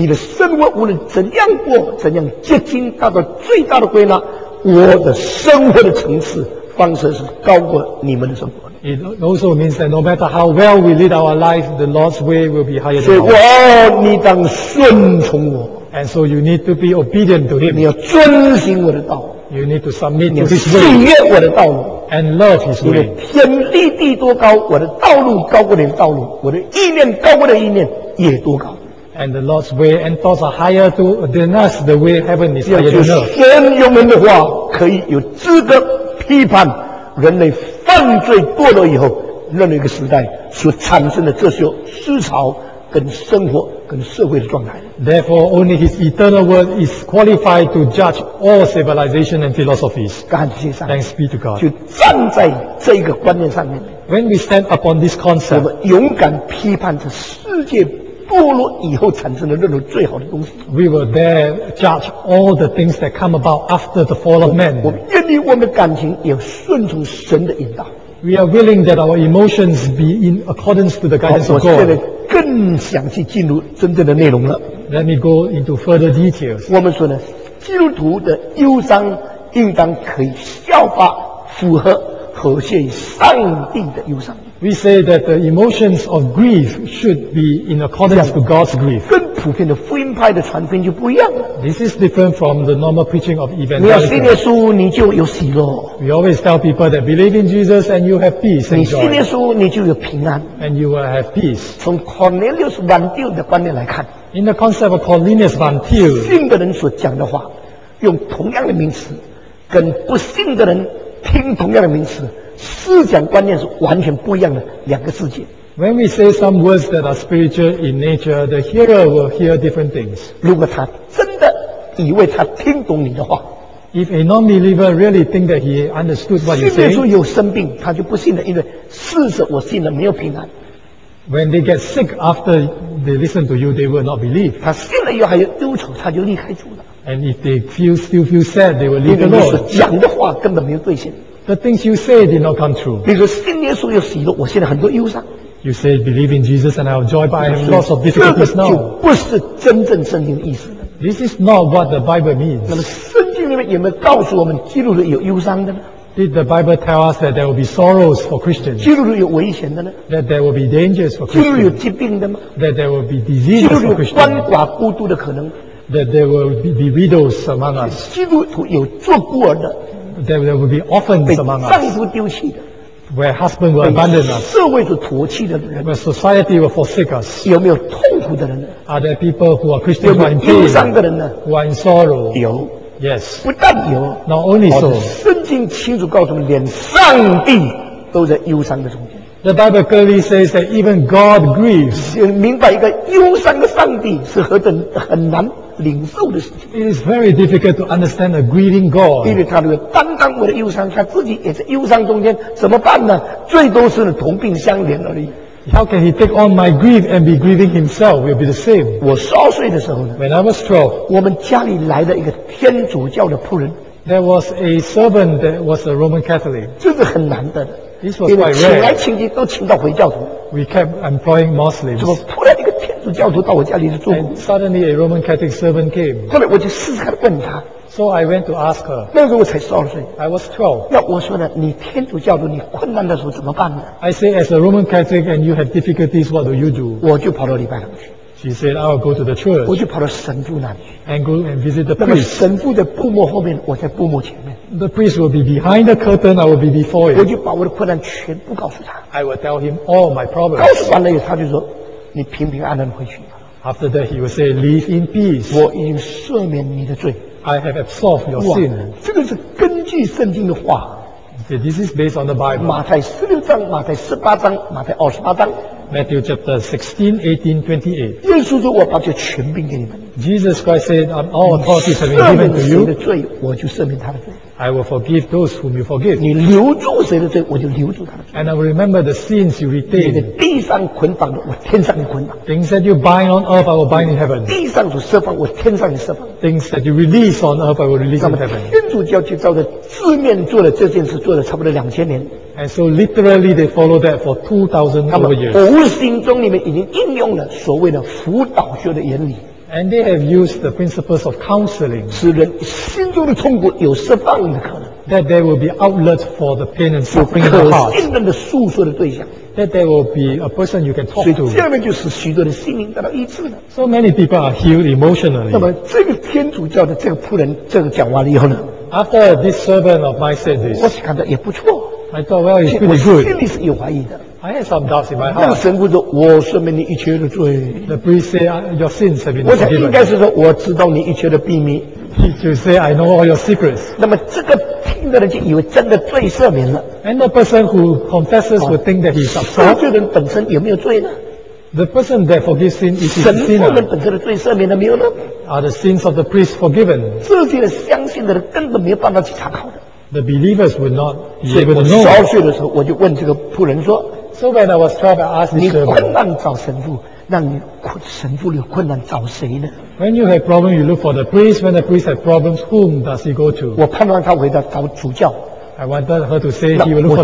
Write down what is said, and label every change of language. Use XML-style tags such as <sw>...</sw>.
<zh>你的生活无论怎样过，怎样接近达到最大的归纳，我的生活的层次方式是高过你们的生活。</zh> <en>It also means that no matter how well we lead our life, the Lord's way will be higher than ours.</en> <zh>所以，你当顺从我。</zh> <en>And so you need to be obedient to Him.</en> <zh>你要遵行我的道。</zh> <en>You need to submit to His way.</en> <zh>你要喜悦我的道路。</zh> <en>And love His way.</en> <zh>因为天立地多高，我的道路高过你的道路，我的意念高过你的意念也多高。</zh> <en>And the Lord's way and thoughts are higher than us. The way heaven is higher than earth.</en> <zh>神用我们的话可以有资格批判人类。犯罪堕落以后，任何一个时代所产生的这些思潮、跟生活、跟社会的状态。</zh> <en>Therefore, only His eternal word is qualified to judge all civilization and philosophies.</en> <zh>感谢上帝。</zh> <en>Thanks be to God.</en> <zh>就站在这个观念上面。</zh> <en>When we stand upon this concept,</en> <zh>我们勇敢批判这世界堕落以后产生的任何最好的东西。</zh> <en>We will dare judge all the things that come about after the fall of man.</en> <zh>我们愿意我们的感情也顺从神的引导。</zh> <en>We are willing that our emotions be in accordance to the guidance of God.</en> <zh>我现在更详细进入真正的内容了。</zh> <en>Let me go into further details.</en> <zh>我们说呢，基督徒的忧伤应当可以效法符合和谐上帝的忧伤。</zh> <en>We say that the emotions of grief should be in accordance with God's grief.</en> <zh>跟普遍的福音派的传福音就不一样了。</zh> <en>This is different from the normal preaching of evangelism.</en> <zh>你要信耶稣，你就有喜乐。</zh> <en>We always tell people that believe in Jesus and you have peace and joy.</en> <zh>你信耶稣，你就有平安。</zh> <en>And you will have peace.</en> <zh>从 Cornelius Van Til 的观念来看</zh> <en>，In the concept of Cornelius Van Til，</en> <zh>信的人所讲的话，用同样的名词，跟不信的人听同样的名词。思想观念是完全不一样的两个世界。</zh> <en>When we say some words that are spiritual in nature, the hearer will hear different things.</en> <zh>如果他真的以为他听懂你的话</zh> <en>，If a non-believer really think that he understood what you say,</en> <zh>信耶稣有生病，他就不信了，因为事实我信了没有平安。</zh> <en>When they get sick after they listen to you, they will not believe.</en> <zh>他信了以后还有忧愁，他就离开主了。</zh> <en>And if they still feel sad, they will leave the Lord.</en> <zh>因为你所讲的话根本没有兑现。</zh> <en>The things you say did not come true.</en> <zh>你说信耶稣有喜乐，我现在很多忧伤。</zh> <en>You say believe in Jesus and I have joy, but I have lots of difficulties now.</en> <zh>这个就不是真正圣经的意思了。</zh> <en>This is not what the Bible means.</en> <zh>那么圣经里面有没有告诉我们基督徒有忧伤的呢？</zh> <en>Did the Bible tell us that there will be sorrows for Christians?</en> <zh>基督徒有危险的呢？</zh> <en>That there will be dangers for Christians?</en> <zh>基督徒有疾病的吗？</zh> <en>That there will be diseases for Christians?</en> <zh>基督徒有鳏寡孤独的可能？</zh> <en>That there will be widows among us?</en> <zh>基督徒有做孤儿的？</zh> <en>There will be orphans among us.</en> <zh>被丈夫丢弃的</zh> <en>，where husband will abandon us.</en> <zh>社会所唾弃的人</zh> <en>，where society will forsake us.</en> <zh>有没有痛苦的人呢</zh> <en>？Are there people who are Christians who are in pain?</en> <zh>有忧伤的人呢</zh> <en>？Who are in sorrow?</en> <zh>有</zh> <en>，yes.</en> <zh>不但有</zh> <en>，not only so.</en> <zh>圣经清楚告诉我们，连上帝都在忧伤的中间。</zh> <en>The Bible clearly says that even God grieves.</en> <zh>明白一个忧伤的上帝是何等很难领受的事情。</zh> <en>It is very difficult to understand a grieving God.</en> <zh>因为他如果担当我的忧伤，他自己也在忧伤中间，怎么办呢？最多是同病相怜而已。</zh> <en>How can he take on my grief and be grieving himself? Will be the same.</en> <zh>我12岁的时候呢</zh> <en>？When I was 12,</en> <zh>我们家里来了一个天主教的仆人。</zh> <en>There was a servant that was a Roman Catholic.</en> <zh>这是很难的。</zh> <en>This was quite rare.</en> <zh>请来请去都请到回教徒。</zh> <en>We kept employing Muslims.</en> <zh>怎么突然一个天主教徒到我家里去住</zh> <en>？And suddenly a Roman Catholic servant came.</en> <zh>后来我就试试看问他。</zh> <en>So I went to ask her.</en> <zh>那时候我才12岁。</zh> <en>I was 12.</en> <zh>那我说呢，你天主教徒，你困难的时候怎么办呢</zh> <en>？I say, as a Roman Catholic and you have difficulties, what do you do?</en> <zh>我就跑到礼拜堂去。</zh> <en>She said, I'll go to the church.</en> <zh>我就跑到神父那里。</zh> <en>And go and visit the priest.</en> <zh>那么神父的布幕后面，我在布幕前面。</zh> <en>The priest will be behind the curtain, I will be before him.</en> <zh>我就把我的困难全部告诉他。</zh> <en>I will tell him all my problems.</en> <zh>告诉完了以后，他就说，你平平安安回去。</zh> <en>After that, he will say, live in peace.</en> <zh>我已经赦免你的罪。</zh> <en>I have absolved your sin.</en> <zh>这个是根据圣经的话。</zh> <en>So this is based on the Bible.</en> <zh>马太16章、马太18章、马太28章。</zh> <en>Matthew chapter 16:18-28.</en> <zh>耶稣说：“我把这权柄给你们。”</zh> <en>Jesus Christ said, "I'm all authority has been given to you."</en> <zh>赦免谁的罪，我就赦免他的罪。</zh> <en>I will forgive those whom you forgive.</en> <zh>你留住谁的罪，我就留住他的罪。</zh> <en>And I will remember the sins you retain.</en> <zh>你的地上捆绑的，我天上捆绑。</zh> <en>Things that you bind on earth, I will bind in heaven.</en> <zh>地上所释放，我天上也释放。</zh> <en>Things that you release on earth, I will release in heaven.</en> <zh>那么天主教就照着字面做了这件事，做了差不多2000年。</zh> <en>And so literally they follow that for 2,000 over years.</en> <zh>他们无形中里面已经应用了所谓的辅导学的原理。</zh> <en>And they have used the principles of counseling.</en> <zh>使人心中的痛苦有释放的可能。</zh> <en>That there will be outlet for the pain and suffering in the heart.</en> <zh>有可信任的诉说的对象。</zh> <en>That there will be a person you can talk to.</en> <zh>所以下面就是许多的心灵得到医治了。</zh> <en>So many people are healed emotionally.</en> <zh>那么这个天主教的这个仆人这个讲完了以后呢</zh> <en>？After this servant of mine said this.</en> <zh>我感到也不错。</zh> <en>I thought, well, it's pretty good.</en> <zh>我心里是有怀疑的。</zh> <en>I had some doubts in my heart.</en> <zh>那个神父说：“我赦免你一切的罪。”</zh> <en>The priest said, "Your sins have been forgiven."</en> <zh>我想应该是说：“我知道你一切的秘密。”</zh> <en>He should say, "I know all your secrets."</en> <zh>那么这个听的人就以为真的罪赦免了。</zh> <en>And the person who confesses would think that he's absolved.</en> <zh>这个人本身有没有罪呢？</zh> <en>The person that forgives sin is sinner.</en> <zh>神父们本身的罪赦免了没有呢？</zh> <en>Are the sins of the priest forgiven?</en> <zh>这些的相信的人根本没有办法去查考的。</zh> <en>The believers would not be able to know.</en> <zh>所以我12岁的时候，我就问这个仆人说。</zh> <en>So when I was 12, I asked this servant,</en> <zh>你困难找神父，让你神父有困难找谁呢</zh> <en>？When you have problem, you look for the priest. When the priest has problems, whom does he go to?</en> <zh>我判断他回答找主教。</zh> <en>I wanted her to say he will look for</en>